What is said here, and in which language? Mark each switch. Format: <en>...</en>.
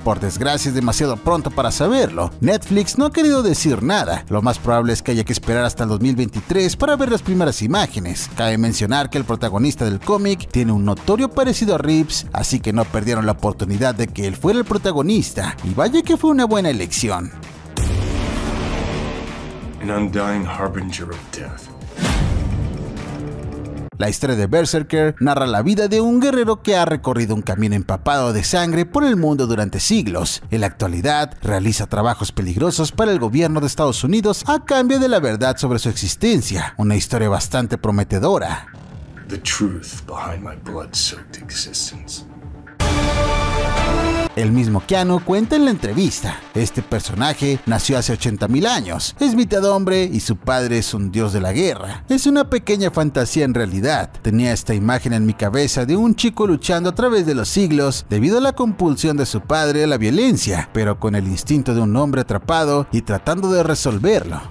<es>Por desgracia es demasiado pronto para saberlo. Netflix no ha querido decir nada. Lo más probable es que haya que esperar hasta el 2023 para ver las primeras imágenes. Cabe mencionar que el protagonista del cómic tiene un notorio parecido a Reeves, así que no perdieron la oportunidad de que él fuera el protagonista, y vaya que fue una buena elección.</es> <en>An undying harbinger of death.</en> <es>La historia de Berserker narra la vida de un guerrero que ha recorrido un camino empapado de sangre por el mundo durante siglos. En la actualidad, realiza trabajos peligrosos para el gobierno de Estados Unidos a cambio de la verdad sobre su existencia. Una historia bastante prometedora.</es> <en>The truth behind my blood-soaked existence.</en> <es>El mismo Keanu cuenta en la entrevista, este personaje nació hace 80,000 años, es mitad hombre y su padre es un dios de la guerra. Es una pequeña fantasía en realidad, tenía esta imagen en mi cabeza de un chico luchando a través de los siglos debido a la compulsión de su padre a la violencia, pero con el instinto de un hombre atrapado y tratando de resolverlo.</es>